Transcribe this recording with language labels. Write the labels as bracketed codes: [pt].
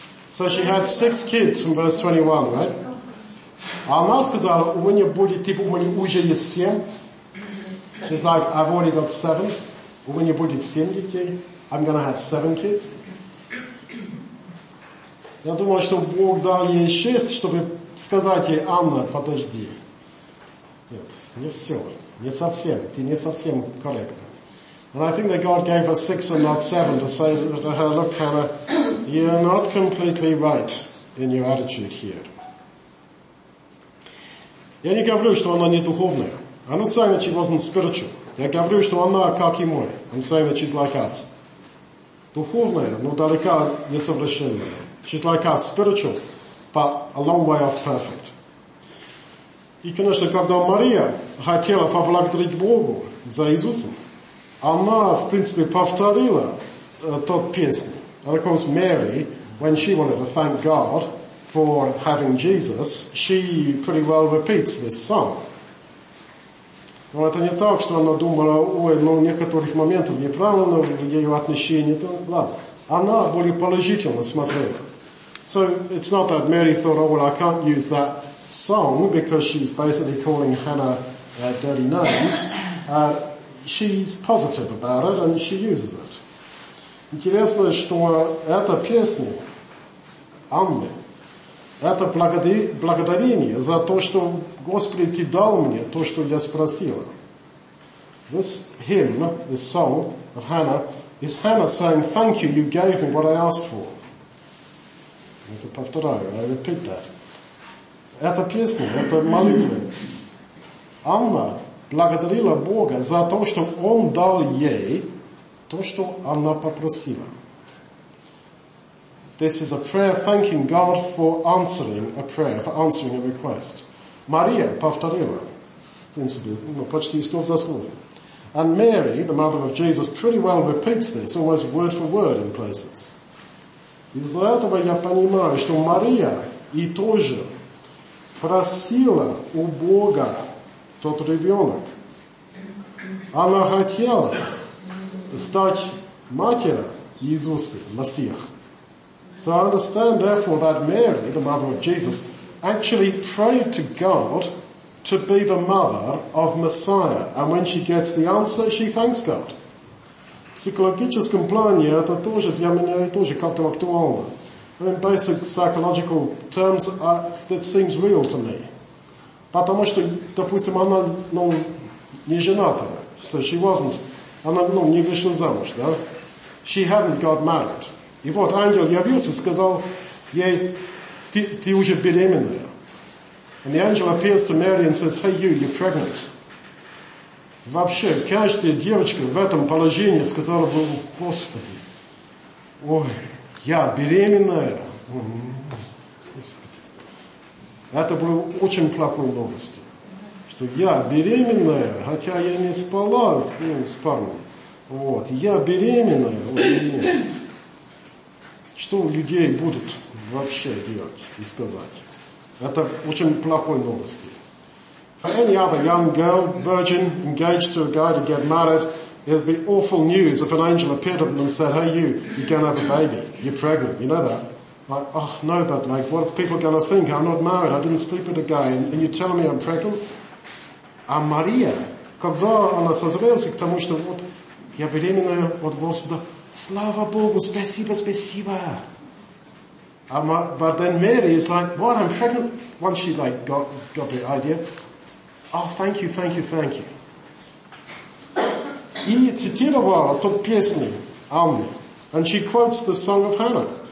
[en] So she had six kids from verse 21, right? [ru] Она сказала, у меня будет, типа, у меня уже есть семь. [en] She's like, I've already got seven. [ru] У меня будет семь детей. [en] I'm going to have seven kids. [ru] Я думал, что Бог дал ей шесть, чтобы сказать ей, Анна, подожди. Нет, не все. Не совсем. Ты не совсем корректна. [en] And I think that God gave her six and not seven to say to her, look, Hannah, you're not completely right in your attitude here. [ru] Я не говорю, что она не духовная. [en] I'm not saying that she wasn't spiritual. [ru] Я говорю, что она как и мой. [en] I'm saying that she's like us. [ru] Духовная, но далека несовершенная. [en] She's like us, spiritual, but a long way off perfect. [ru] И, конечно, когда Мария хотела поблагодарить Богу за Иисусом, она, в принципе, повторила ту песню. [en] And of course, Mary, when she wanted to thank God for having Jesus, she pretty well repeats this song. [ru] Но это не так, что она думала, ой, ну, в некоторых моментах неправильно, в ее отношении, то ладно. Она более положительно смотрела. [en] So it's not that Mary thought, oh, well, I can't use that song because she's basically calling Hannah dirty names. She's positive about it and she uses it. [ru] Интересно, что эта песня, Анны, это благодарение за то, что Господи, ты дал мне то, что я спросила. [en] This hymn, this song of Hannah, is Hannah saying, thank you, you gave me what I asked for. [ru] Это повторяю, [en] I repeat that. [ru] Это песня, это молитва. Анна благодарила Бога за то, что Он дал ей то, что она попросила. [en] This is a prayer thanking God for answering a prayer, for answering a request. [ru] Мария повторила, в принципе, ну, почти слов за слов. [en] And Mary, the mother of Jesus, pretty well repeats this, almost word for word in places. [ru] Из-за этого я понимаю, что Мария и тоже просила у Бога тот ребенок. Она хотела стать матерью Иисуса, Мессия. [en] So I understand, therefore, that Mary, the mother of Jesus, actually prayed to God to be the mother of Messiah. And when she gets the answer, she thanks God. [ru] В психологическом плане это тоже для меня тоже как-то актуально. [en] And in basic psychological terms, that seems real to me. [ru] Потому что, допустим, она, ну, не жената. [en] So she wasn't. [ru] Она, ну, не вышла замуж, да? [en] She hadn't got married. [ru] И вот ангел явился, сказал ей, ты уже беременная. [en] And the angel appears to Mary and says, hey, you're pregnant. [ru] Вообще, каждая девочка в этом положении сказала бы: «Господи, ой, я беременная». Это было очень плохой новостью, что я беременная, хотя я не спала с парнем. Вот, я беременная, нет. Что людей будут вообще делать и сказать? Это очень плохой новости. [en] For any other young girl, virgin, engaged to a guy to get married, it would be awful news if an angel appeared to them and said, hey you, you're going to have a baby, you're pregnant, you know that? Like, oh no, but like, what are people going to think? I'm not married, I didn't sleep with a guy, and you tell me I'm pregnant? [ru] А Мария, когда она созрелась к тому, что вот я беременная от Господа, слава Богу, спасибо, спасибо. [en] But then Mary is like, what, I'm pregnant? Once she like got the idea, oh, thank you, thank you, thank you. [ru] И цитировала тот песни Анны, [en] and she quotes the song of Hannah.